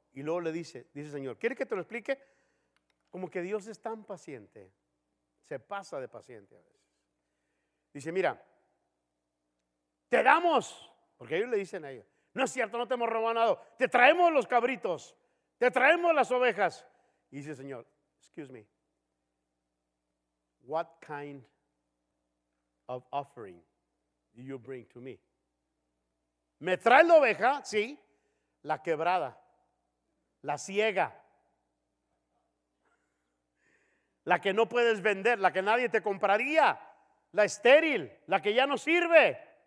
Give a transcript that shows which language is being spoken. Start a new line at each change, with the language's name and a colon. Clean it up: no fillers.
Spanish: Y luego le dice el Señor, ¿quieres que te lo explique? Como que Dios es tan paciente, se pasa de paciente a veces. Dice, mira, te damos, porque ellos le dicen a ellos, no es cierto, no te hemos robado nada, te traemos los cabritos, te traemos las ovejas. Y dice el Señor,
English: excuse me, what kind of offering do you bring to me?
Spanish: Me trae la oveja, sí, la quebrada, la ciega, la que no puedes vender, la que nadie te compraría, la estéril, la que ya no sirve.